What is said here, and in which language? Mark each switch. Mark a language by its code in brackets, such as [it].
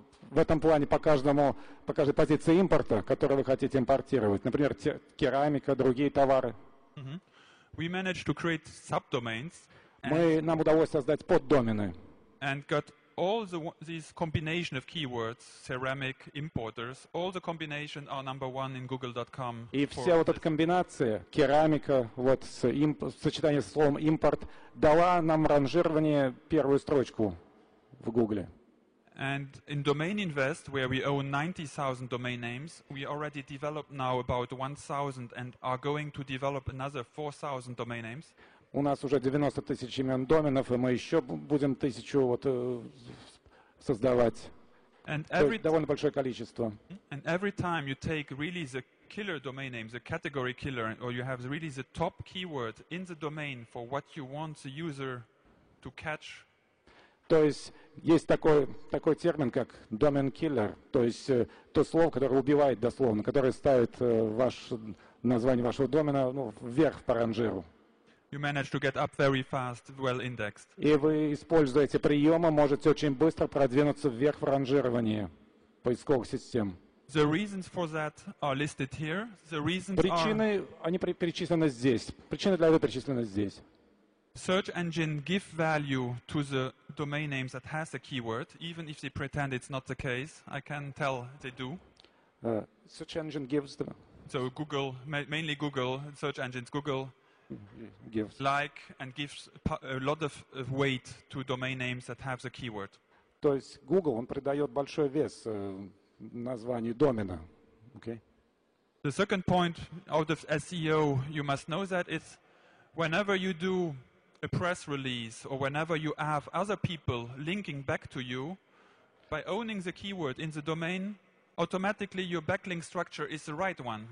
[ru] По каждой позиции импорта, которую вы хотите импортировать, например, керамика, другие товары. Mm-hmm. [en] We managed to create subdomains. [ru] Нам удалось создать поддомены. [en] And got all these combination of keywords, ceramic importers, all the combination are number one in google.com. [ru] И вся вот эта комбинация, керамика, вот в сочетании с словом импорт, дала нам ранжирование первую строчку в Гугле. [en] And in Domain Invest, where we own 90,000 domain names, we already developed now about 1,000 and are going to develop another 4,000 domain names. [ru] У нас уже 90 тысяч имен доменов, и мы еще будем тысячу создавать. Довольно большое количество. [en] And every time you take really the killer domain name, the category killer, or you have really the top keyword in the domain for what you want the user to catch. [ru] То есть есть такой термин, как domain killer, то есть то слово, которое убивает дословно, которое ставит название вашего домена вверх по ранжиру. [en] You manage to get up very fast, well indexed. [ru] И вы, используя эти приемы, можете очень быстро продвинуться вверх в ранжировании поисковых систем. [en] The reasons for that are listed here. The reasons [ru] причины, [en] are... [ru] они перечислены здесь. Причины для этого перечислены здесь. [en] Search engine give value to the domain names that has a keyword, even if they pretend it's not the case. I can tell they do. Search engine gives them. So Google, mainly Google, search engines Google gives. Like and gives a lot of weight to domain names that have the keyword. [ru] То есть Google, он придает большой вес названию домена. [en] Okay. The second point out of SEO, you must know that it's whenever you do a press release or whenever you have other people linking back to you, by owning the keyword in the domain, automatically your backlink structure is the right one.